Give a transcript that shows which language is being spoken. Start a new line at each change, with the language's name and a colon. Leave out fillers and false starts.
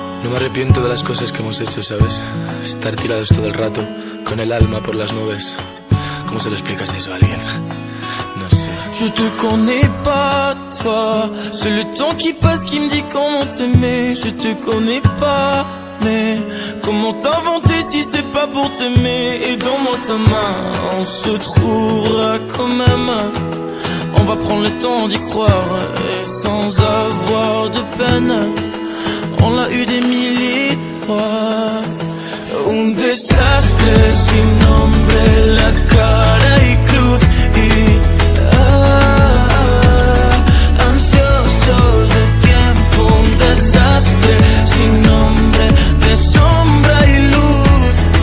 Spanish: me arrepiento de las cosas que hemos hecho, ¿sabes? Estar tirados todo el rato, con el alma por las nubes. ¿Cómo se lo explicas eso a alguien? No sé.
French: Je te connais pas, toi. C'est le temps qui passe qui me dit comment t'aimer. Je te connais pas, mais comment t'inventer si c'est pas pour t'aimer. Et donne-moi ta main, on se trouvera quand même. On va prendre le temps d'y croire, et sans avoir de peine. On l'a eu des milliers de fois.
Spanish: Un desastre sin nombre, la cara y cruz. Y ansiosos de tiempo. Un desastre sin nombre, de sombra y luz.